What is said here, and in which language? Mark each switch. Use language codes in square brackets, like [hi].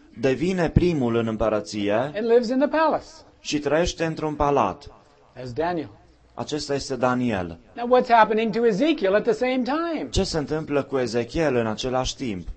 [ro] Devine primul în împărăție. [en] And lives in the palace. [ro] Și trăiește într-un palat. [en] As Daniel. [ro] Acesta este Daniel. [en] Now what's happening to Ezekiel at the same time? [ro] Ce se întâmplă cu Ezechiel în același timp?